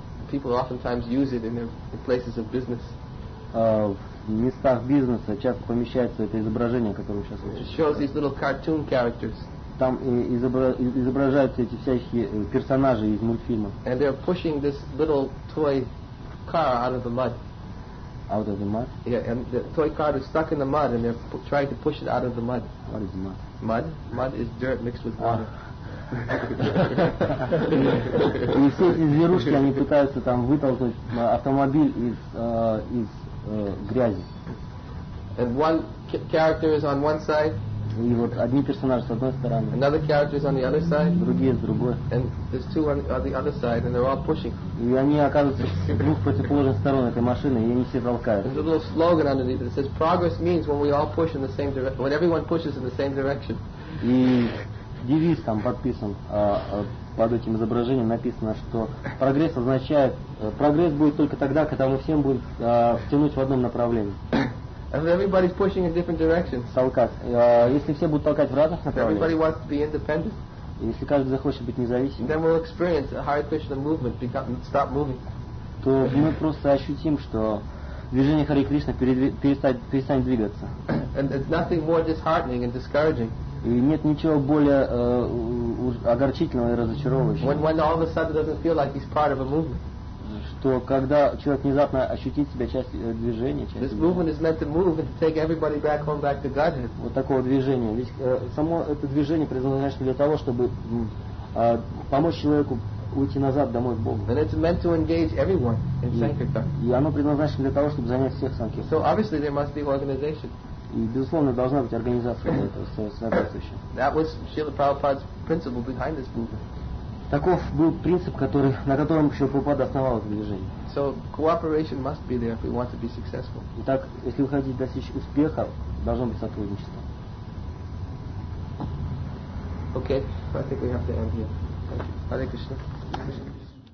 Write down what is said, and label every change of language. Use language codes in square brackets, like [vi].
[en] People oftentimes use it in places of business. [ru] В местах бизнеса часто помещается это изображение, которое сейчас. [en] It shows these little cartoon characters. [ru] Там изображаются эти всякие персонажи из мультфильма. [en] And they're pushing this little toy car out of the mud. Out of the mud? Yeah, and the toy car is stuck in the mud, and they're trying to push it out of the mud. What is mud? Mud? Mud is dirt mixed with water. [ru] И все эти зверушки, они пытаются там вытолкнуть автомобиль из грязи. [en] And one character is on one side. [ru] И вот один персонаж с одной стороны. [en] Another character is on the other side. [ru] Другие с другой. [en] And there's two on the other side, and they're all pushing. [ru] И они оказываются с двух противоположных сторон этой машины, и они все толкают. [en] There's a little slogan underneath that says, "Progress means when we all push in the same direction, when everyone pushes in the same direction." [ru] И девиз там подписан под этим изображением написано, что прогресс означает прогресс будет только тогда, когда мы всем будем втянуть в одном направлении. [en] And everybody's pushing in different directions. [ru] Если все будут толкать в разных направлениях. [en] Everybody wants to be independent. [ru] Если каждый захочет быть независимым. [en] Then we'll experience a Hare Krishna movement stop moving. [ru] То мы просто ощутим, что движение Харе Кришна перестанет двигаться. [en] And it's nothing more disheartening and discouraging. [ru] И нет ничего более огорчительного и разочаровывающего. [en] When all of a sudden doesn't feel like he's part of a movement. [ru] Что когда человек внезапно ощутит себя частью движения, вот такого движения. Ведь само это движение предназначено для того, чтобы помочь человеку уйти назад домой к Богу. [en] And it's meant to engage everyone in sankirtan. [ru] И оно предназначено для того, чтобы занять всех санкиртан. [en] So obviously there must be organization. [ru] И безусловно должна быть организация для этого соответствующая. [en] That was Srila Prabhupada's principle behind this movement. [ru] Таков был принцип, на котором Шрила Прабхупада основал это движение. [en] So cooperation must be there if we want to be successful. [ru] Итак, если вы хотите достичь успеха, должно быть сотрудничество. [en] Okay, I think we have to end here. Hare Krishna.